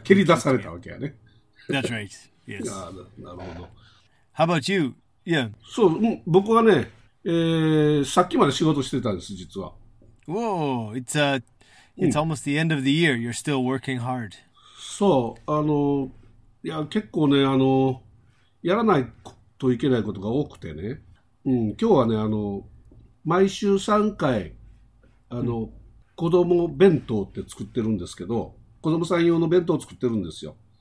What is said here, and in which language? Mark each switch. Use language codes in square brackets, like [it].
[ja] 蹴り出されたわけやね。 [en] That's right. Yes. [ja] なるほど。 [en] How about you? Yeah. [ja] そう、僕はね、さっきまで仕事してたんです、実は。 [en] Whoa, it's almost the end of the year. You're still working hard. [ja] そう、いや、結構ね、やらないといけないことが多くてね。うん、今日はね、毎週3回、子供弁当って作ってるんですけど、子供さん用の弁当を作ってるんですよ。